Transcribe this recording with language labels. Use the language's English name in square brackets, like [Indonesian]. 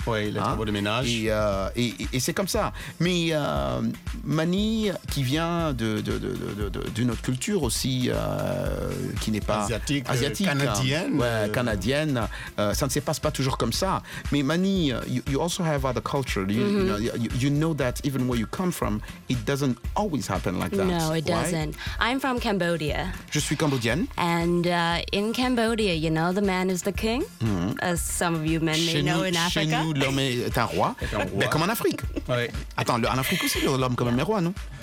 [French] Oui, les travaux de ménage. Et c'est comme ça. Mais Mani, qui vient d'une autre culture aussi... qui n'est pas asiatique, canadienne. Ouais, canadienne. Ça ne se passe pas toujours comme ça. [English] Mais Mani, you also have other culture. You, mm-hmm. you know that even where you come from, it doesn't always happen like that. No, it doesn't. Why? I'm from Cambodia. [French] Je suis cambodienne. [English] And in Cambodia, you know, the man is the king, mm-hmm. as some of you men may know in Africa. [French] Chez nous, l'homme est un roi. Mais comme en Afrique. Ouais. Attends, en Afrique aussi, l'homme quand même est roi, non?